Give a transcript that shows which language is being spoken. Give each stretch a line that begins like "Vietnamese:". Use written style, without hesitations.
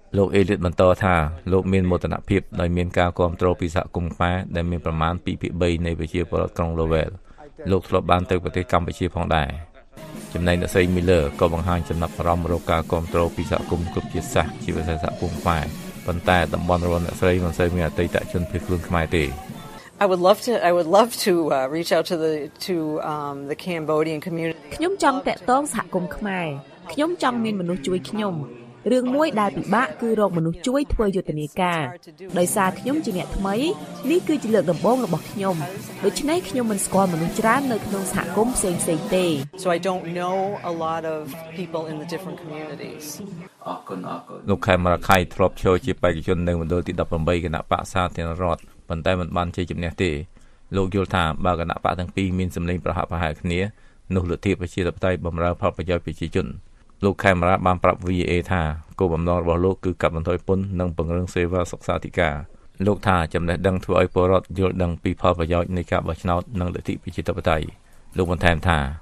Khmer: លោកអេលីតបន្តថាលោកមានមោទនភាពដោយមានការគាំទ្រពីសហគមន៍ខ្មែរដែលមានប្រមាណ 2/3 នៃប្រជាពលរដ្ឋក្រុងលូវែលលោកធ្លាប់បានទៅប្រទេសកម្ពុជាផងដែរចំណែកអ្នកស្រីមីលឺក៏បង្ហាញចំណាប់អារម្មណ៍រកការគាំទ្រពីសហគមន៍គ្រប់ជាសាសជាពិសេសសហគមន៍ខ្មែរប៉ុន្តែតំបន់របស់អ្នកស្រីមិនសូវមានអតីតជនភៀសខ្លួនខ្មែរទេ
English: I would love to reach out to the Cambodian community
Khmer: ខ្ញុំចង់តាក់ទងសហគមន៍ខ្មែរខ្ញុំចង់មានមនុស្សជួយខ្ញុំរឿងមួយដែលពិបាកគឺរកមនុស្សជួយធ្វើយុទ្ធនាការដោយសារខ្ញុំជាអ្នកថ្មីនេះគឺជាលើកដំបូងរបស់ខ្ញុំដូច្នេះខ្ញុំមិនស្គាល់មនុស្សច្រើននៅក្នុងសហគមន៍ផ្សេងៗទេ
English: So I don't know a lot of people in the different communities
Khmer: លោកខេមរៈខៃធ្លាប់ចូលជាបេក្ខជននៅមណ្ឌលទី18គណៈបក្សសាធារណរដ្ឋប៉ុន្តែមិនបានជ័យជំនះទេលោកយល់ថាបើគណៈបក្សទាំងពីរមានសម្លេងប្រហាក់ប្រហែលគ្នានោះលទ្ធិប្រជាធិបតេយ្យបម្រើផលប្រយោជន៍ប្រជាជនលោកខេមរៈបានប្រាប់ VA ថាគោលបំណងរបស់លោកគឺកាត់បន្ថយពន្ធនិងពង្រឹងសេវាសុខាធិការលោកថាចំណេះដឹងធ្វើឲ្យពលរដ្ឋយល់ដឹងពីផលប្រយោជន៍នៃការបោះឆ្នោតនិងលទ្ធិប្រជាធិបតេយ្យលោកបន្ថែមថា